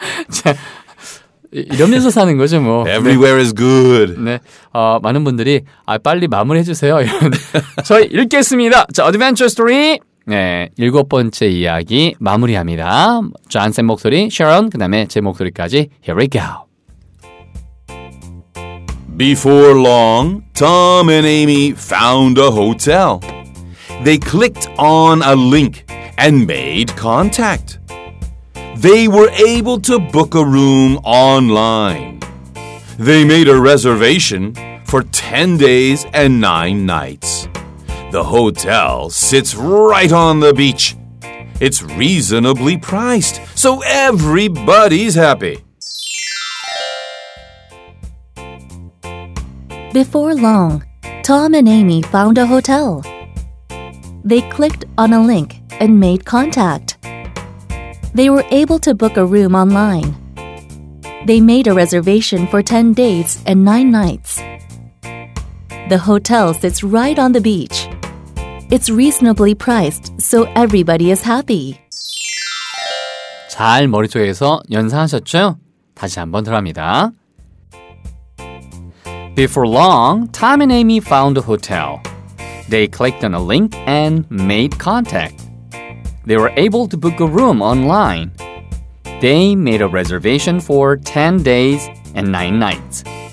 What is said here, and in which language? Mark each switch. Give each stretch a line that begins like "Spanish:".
Korean: 자, 이러면서 사는 거죠, 뭐.
English: Everywhere is good.
Korean: 네. 많은 분들이, 아, 빨리 마무리 해주세요. 저희 읽겠습니다. 자, Adventure Story. 네. 일곱 번째 이야기 마무리합니다. 존쌤 목소리, 샤론, 그 다음에 제 목소리까지.
English: Here we go. Before long, Tom and Amy found a hotel. They clicked on a link and made contact. They were able to book a room online. They made a reservation for 10 days and 9 nights. The hotel sits right on the beach. It's reasonably priced, so everybody's happy. Before long, Tom and Amy found a hotel. They clicked on a link and made contact. They were able to book a room online. They made a reservation for 10 days and 9 nights. The hotel sits right on the beach. It's reasonably priced, so everybody is happy.
Korean: 잘 머릿속에서 연상하셨죠? 다시 한번 들어갑니다.
English: Before long, Tom and Amy found a hotel. They clicked on a link and made contact. They were able to book a room online. They made a reservation for 10 days and 9 nights.